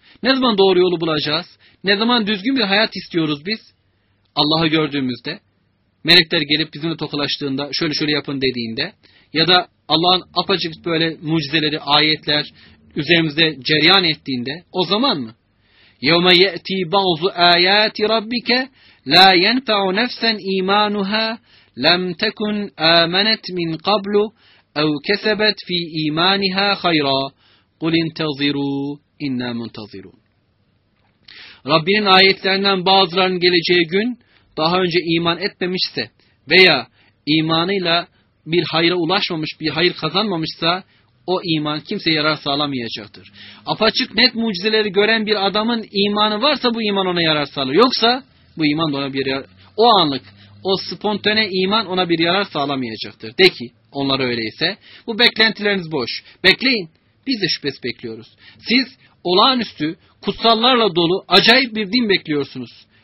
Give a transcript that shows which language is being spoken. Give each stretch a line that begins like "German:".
Turkish: Ne zaman doğru yolu bulacağız? Ne zaman düzgün bir hayat istiyoruz biz? Allah'ı gördüğümüzde, melekler gelip bizimle tokalaştığında, şöyle şöyle yapın dediğinde ya da Allah'ın apaçık böyle mucizeleri, ayetler üzerimize cereyan ettiğinde o zaman mı?
Arabic: يَوْمَ يَأْتِي بَعْضُ آيَاتِ رَبِّكَ لَا يَنْفَعُ نَفْسًا اِيمَانُهَا لَمْ تَكُنْ آمَنَتْ مِنْ قَبْلُ اَوْ كَسَبَتْ فِي اِيمَانِهَا خَيْرًا قُلْ اِنْتَظِرُوا اِنَّا مُنْتَظِرُونَ
Turkish: Rabbinin ayetlerinden bazılarının geleceği gün daha önce iman etmemişse veya imanıyla bir hayra ulaşmamış, bir hayır kazanmamışsa o iman kimseye yarar sağlamayacaktır. Apaçık net mucizeleri gören bir adamın imanı varsa bu iman ona yarar sağlar. Yoksa bu iman ona bir yarar, o anlık, o spontane iman ona bir yarar sağlamayacaktır. De ki onlar öyleyse bu beklentileriniz boş. Bekleyin. Biz de şüphesiz bekliyoruz. Siz olağanüstü, kutsallarla dolu, acayip bir din bekliyorsunuz.